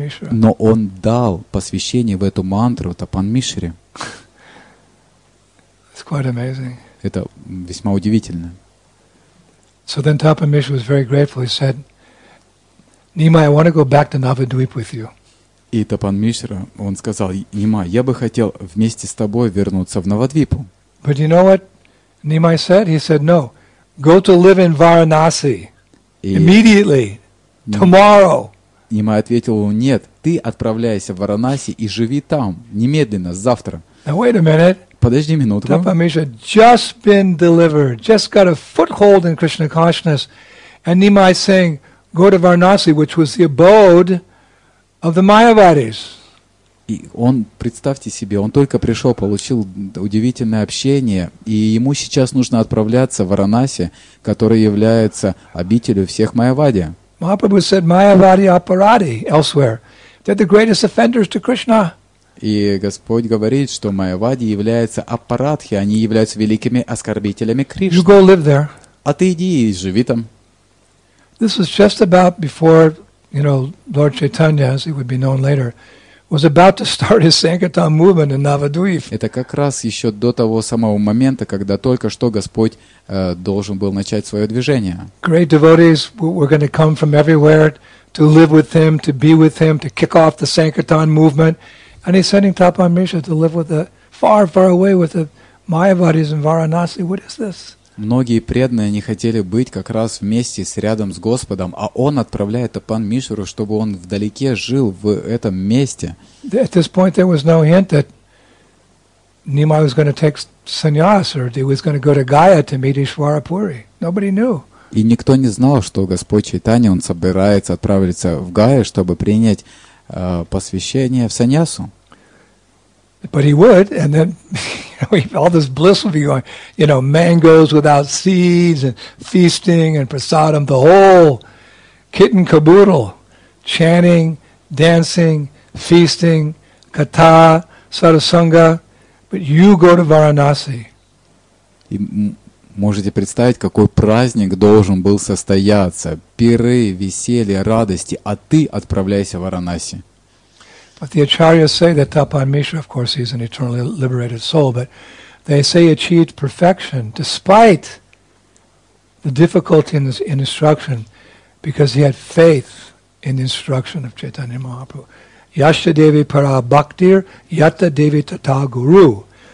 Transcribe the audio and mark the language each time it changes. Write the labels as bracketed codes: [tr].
[ru] Но он дал посвящение в эту мантру Тапан Мишри. Это весьма удивительно. [en] So then Tapan Mishra was very grateful. He said, "Nimai, I want to go back to Navadvip with you." [ru] И Тапан Мишра, он сказал, Нимай, я бы хотел вместе с тобой вернуться в Навадвипу. [en] But you know what Nimai said? He said, "No, go to live in Varanasi immediately, tomorrow." [ru] Нимай ответил ему, нет, ты отправляйся в Варанаси и живи там немедленно, завтра. [en] Now wait a minute. [ru] Подожди минутку. [en] Tapan Mishra just been delivered, just got a foothold in Krishna consciousness, and Nimai saying, "Go to Varanasi, which was the abode of the Mayavadis." [ru] И он, представьте себе, он только пришел, получил удивительное общение, и ему сейчас нужно отправляться в Варанаси, который является обителью всех Майавади. [en] Mahaprabhu said, "Mayavadi aparadi elsewhere; they're the greatest offenders to Krishna." [ru] И Господь говорит, что Майавади является аппаратхи, они являются великими оскорбителями Кришны. [en] You go live there. [ru] А ты иди и живи там. [en] This was just about before, you know, Lord Chaitanya, as he would be known later, was about to start his Sankirtan movement in Navadvip. [ru] Это как раз еще до того самого момента, когда только что Господь должен был начать свое движение. [en] Great devotees were going to come from everywhere to live with him, to be with him, to kick off the Sankirtan movement. And he's sending Thapa Misra to live with the far, far away with the Mayavadis and Varanasi. What is this? [ru] Многие преданные не хотели быть как раз вместе с рядом с Господом, а он отправляет Тапан Мишуру, чтобы он вдалеке жил в этом месте. [en] At this point there was no hint that Nimai was going to take sannyas or he was going to go to Gaya to meet Ishvara Puri. Nobody knew. [ru] И никто не знал, что Господь Чайтанья, он собирается отправиться в Гаю, чтобы принять посвящение в саньясу. [en] But he would, and then all this bliss would be going, you know, mangoes without seeds, and feasting, and prasadam, the whole kit and caboodle, chanting, dancing, feasting, katha, sarasanga, but you go to Varanasi. [ru] И можете представить, какой праздник должен был состояться, пиры, веселье, радости, а ты отправляйся в Варанаси. [en] But the acharyas say that Thapa Misra, of course, he's an eternally liberated soul, but they say he achieved perfection despite the difficulty in, this, in instruction because he had faith in the instruction of Chaitanya Mahaprabhu. [sa] Yashta devi para bhaktir, yatta devi tata guru.